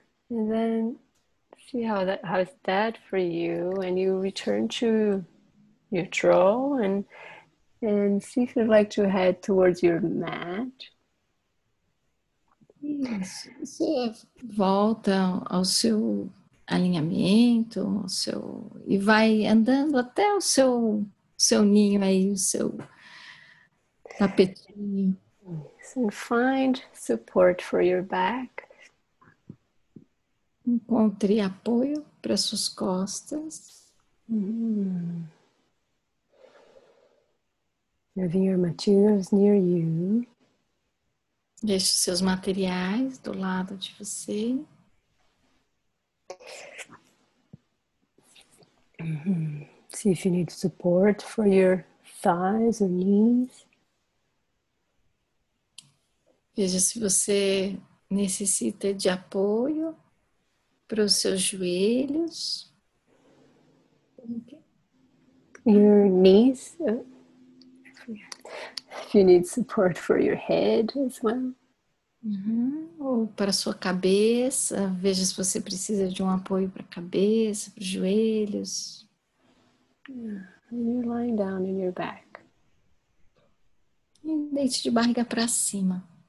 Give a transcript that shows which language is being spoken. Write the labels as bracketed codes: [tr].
[en] And then see how is that for you? And you return to neutral and see if you'd like to head towards your mat. Yes. [pt] Você volta ao seu alinhamento, ao seu e vai andando até o seu ninho aí, o seu tapetinho. [en] And find support for your back. [pt] Encontre apoio para suas costas. [en] Mm-hmm. Having your materials near you. [pt] Deixe seus materiais do lado de você. Mm-hmm. [en] See if you need support for your thighs or knees. [pt] Veja se você necessita de apoio para os seus joelhos. [en] Your knees. If you need support for your head as well. [pt] Ou para a sua cabeça, veja se você precisa de um apoio para a cabeça, para os joelhos. [en] You lying down in your back. [pt] E deite de barriga para cima.